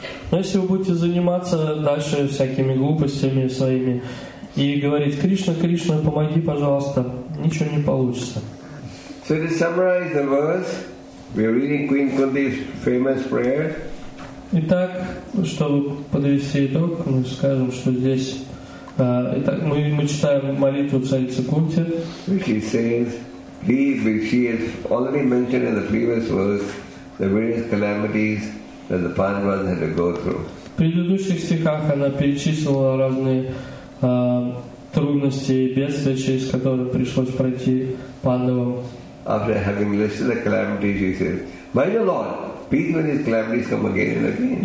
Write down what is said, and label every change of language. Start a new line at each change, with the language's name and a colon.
Russian: Но если вы будете заниматься дальше всякими глупостями своими и говорить: «Кришна, Кришна, помоги, пожалуйста», ничего не получится.
English: So to summarize the verse, we are reading Queen Kunti's famous prayer.
Russian: Итак, чтобы подвести итог, мы скажем, что здесь... Итак, мы читаем молитву царицы Кунти.
English: She says, please, she has already mentioned in the previous verse the various calamities that the Pandavas had to go through.
Russian: В предыдущих стихах она перечислила разные трудности и бедствия, через которые пришлось пройти Пандавам.
English: After having listed the calamities, she says, my dear Lord, please, when these calamities come again and again.